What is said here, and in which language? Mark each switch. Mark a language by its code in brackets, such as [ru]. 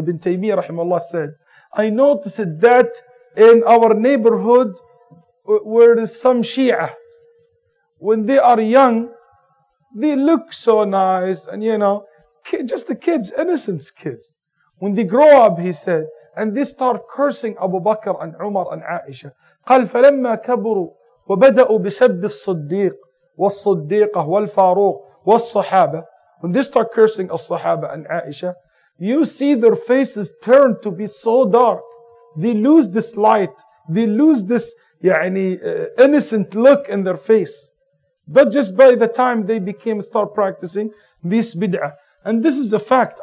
[en] Ibn Taymiyyah, rahimahullah, said, I noticed that in our neighborhood where there's some Shia, when they are young, they look so nice, and just the kids, innocent kids. When they grow up, he said, and they start cursing Abu Bakr and Umar and Aisha. [ar] قال فلما كبروا وبدأوا بسب الصديق والصديقة والفاروق والصحابة. [en] When they start cursing الصحابة and Aisha, you see their faces turn to be so dark. They lose this light. They lose this innocent look in their face. But just by the time they became start practicing this bid'ah, and this is a fact.